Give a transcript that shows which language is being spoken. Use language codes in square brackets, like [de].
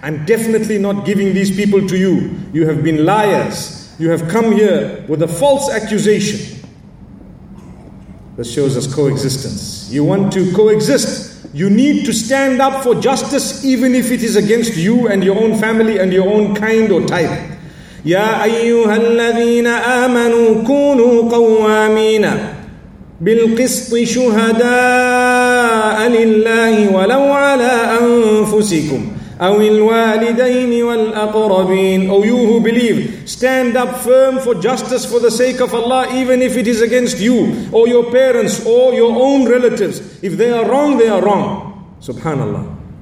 [en] I'm definitely not giving these people to you. You have been liars. You have come here with a false accusation. This shows us coexistence. You want to coexist. You need to stand up for justice, even if it is against you and your own family and your own kind or type. [ar] Ya ayyuha alladhina amanu kunu qawwamina بالقسط شهداء لله ولو على أنفسكم أو الوالدين والأقربين. [en] O you who believe, stand up firm for justice for the sake of Allah, even if it is against you or your parents or your own relatives. If they are wrong, they are wrong. Subhanallah.